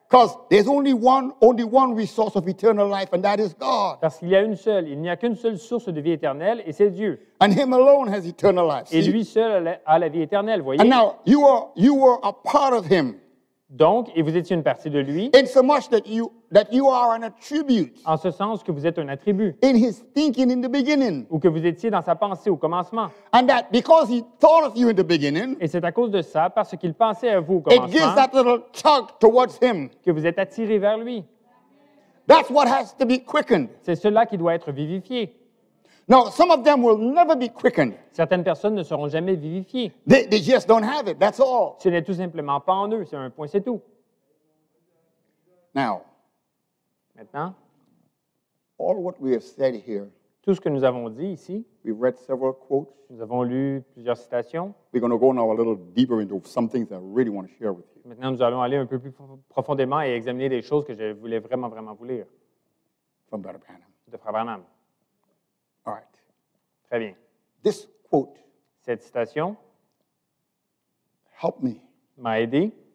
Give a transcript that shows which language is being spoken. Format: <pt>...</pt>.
<en>Because there's only one resource of eternal life, and that is God.</en> <fr>Parce qu'il y a une seule, il n'y a qu'une seule source de vie éternelle, et c'est Dieu.</fr> <en>And Him alone has eternal life.</en> <fr>Et lui seul a la vie éternelle, voyez.</fr> <en>And now you are a part of Him.</en> <fr>Donc, et vous étiez une partie de lui.</fr> <en>In so much that you are an attribute.</en> <fr>En ce sens que vous êtes un attribut.</fr> <en>In His thinking in the beginning.</en> <fr>Ou que vous étiez dans sa pensée au commencement.</fr> <en>And that because He thought of you in the beginning.</en> <fr>Et c'est à cause de ça, parce qu'il pensait à vous au commencement.</fr> <en>It gives that little tug towards Him.</en> <fr>Que vous êtes attiré vers lui.</fr> <en>That's what has to be quickened.</en> <fr>C'est cela qui doit être vivifié.</fr> <en>Now, some of them will never be quickened.</en> <fr>Certaines personnes ne seront jamais vivifiées.</fr> <en>They just don't have it. That's all.</en> <fr>Ce n'est tout simplement pas en eux. C'est un point, c'est tout.</fr> <en>Now.</en> <fr>Maintenant.</fr> <en>All what we have said here.</en> <fr>Tout ce que nous avons dit ici.</fr> <en>We've read several quotes.</en> <fr>Nous avons lu plusieurs citations.</fr> <en>We're going to go now a little deeper into some things I really want to share with you.</en> <fr>Maintenant, nous allons aller un peu plus profondément et examiner des choses que je voulais vraiment, vraiment vous lire.</fr> <en>From Brother Branham.</en> <fr>De Frère Branham.</fr> <en>All right.</en> <fr>Très bien.</fr> <en>This quote.</en> <fr>Cette citation.</fr> <en>Help me.</en> <fr>M'a aidé.</fr>